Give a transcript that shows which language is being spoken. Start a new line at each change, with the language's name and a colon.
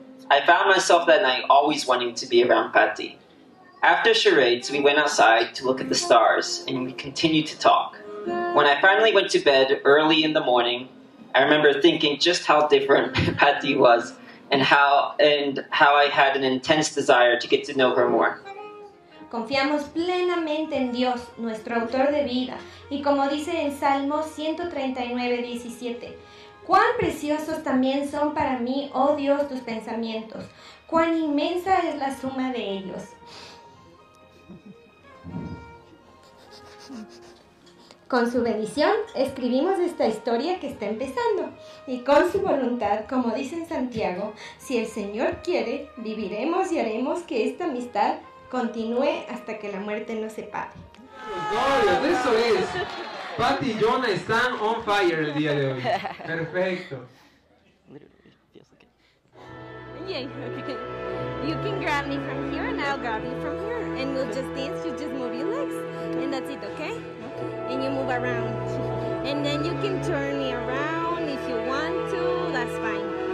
English: I found myself that night always wanting to be around Patty. After charades, we went outside to look at the stars, and we continued to talk. When I finally went to bed early in the morning, I remember thinking just how different Patty was and how I had an intense desire to get to know her more.
Spanish: Confiamos plenamente en Dios, nuestro autor de vida, y como dice en Salmo 139:17, cuán preciosos también son para mí, oh Dios, tus pensamientos, cuán inmensa es la suma de ellos. Con su bendición, escribimos esta historia que está empezando. Y con su voluntad, como dice en Santiago, si el Señor quiere, viviremos y haremos que esta amistad continúe hasta que la muerte nos separe. ¡Gloria! ¡Eso es! Patty y Jonah están
English: on fire
Spanish: el día de hoy. ¡Perfecto!
English: Yeah, you can grab me from here and I'll grab you from here. And we'll just dance, you just move your legs. And that's it, okay? And you move around. And then you can turn me around if you want to, that's fine.